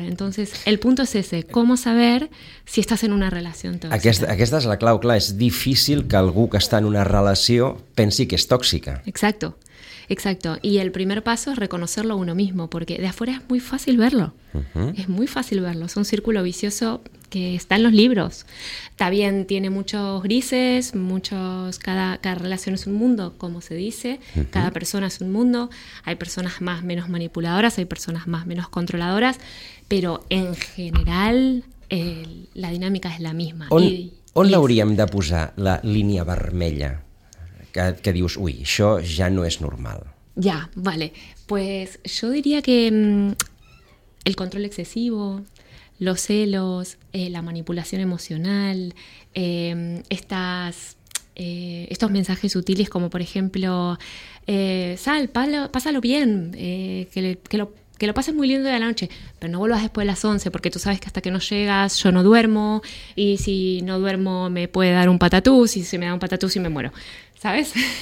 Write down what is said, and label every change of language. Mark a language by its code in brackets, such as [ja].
[es] Entonces, el punto es ese, ¿cómo saber si estás en una relación tóxica? [ca] Aquesta és la clau, clar, és difícil que algú que està en una relació pensi que és tóxica. Exacto, exacto. [es] Y el primer paso es reconocerlo uno mismo, porque de afuera es muy fácil verlo. Uh-huh. Es muy fácil verlo, es un círculo vicioso que está en los libros. También tiene muchos grises, cada relación es un mundo, como se dice, uh-huh, cada persona es un mundo, hay personas más menos manipuladoras, hay personas más menos controladoras, pero en general la dinámica es la misma. [ca] On l'hauríem de posar la línia vermella que dius, ui, això ja no és normal? Ja, vale. [es] Pues yo diría que el control excesivo, los celos, la manipulación emocional, estos mensajes sutiles como por ejemplo, sal, pásalo bien, que lo pases muy lindo de la noche, pero no vuelvas después de las 11 porque tú sabes que hasta que no llegas yo no duermo y si no duermo me puede dar un patatús y si me da un patatús y me muero, ¿sabes?